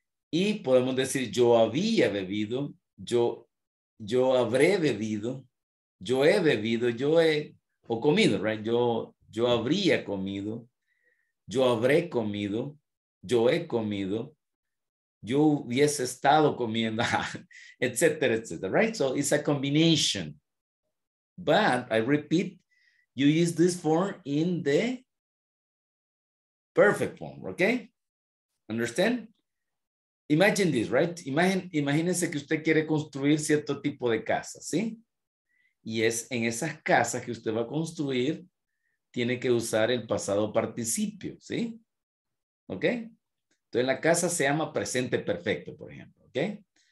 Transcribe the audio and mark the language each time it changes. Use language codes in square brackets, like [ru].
[es] Y podemos decir, yo había bebido, yo habré bebido, yo he bebido, yo he, o comido, right? Yo habría comido, yo habré comido, yo he comido, yo hubiese estado comiendo, etcétera, etcétera, right? [en] So it's a combination. But I repeat, you use this form in the perfect form, okay? Understand? Imagine this, right? [es] Imagínense que usted quiere construir cierto tipo de casa, ¿sí? Y es en esas casas que usted va a construir, tiene que usar el pasado participio, ¿sí? ¿Okay? Entonces la casa se llama presente perfecto, por ejemplo, ¿okay?